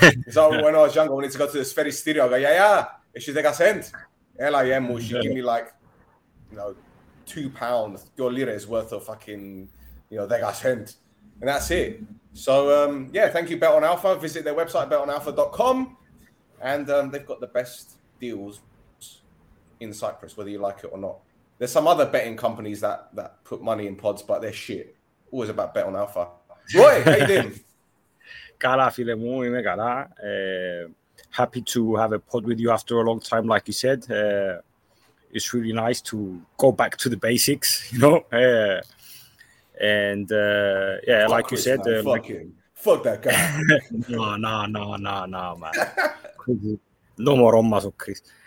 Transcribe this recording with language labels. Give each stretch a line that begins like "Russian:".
English: So when I was younger, I wanted to go to the Sferi studio. I go, yeah. She think I sent LIM, or she give me like, you know, £2, your lira is worth of fucking, you know, they got sent, and that's it. So, yeah, thank you, Bet on Alpha. Visit their website, betonalpha.com, and they've got the best deals in Cyprus, whether you like it or not. There's some other betting companies that put money in pods, but they're shit. Always about Bet on Alpha. Roy, how you doing?
Greek: Καλά, φίλε μου, είμαι καλά.
English: Happy to have a pod with you after a long time, like you said. It's really nice to go back to the basics, you know. Yeah, fuck like you said, man, fuck that guy. No, man. No more on Mazo, Chris.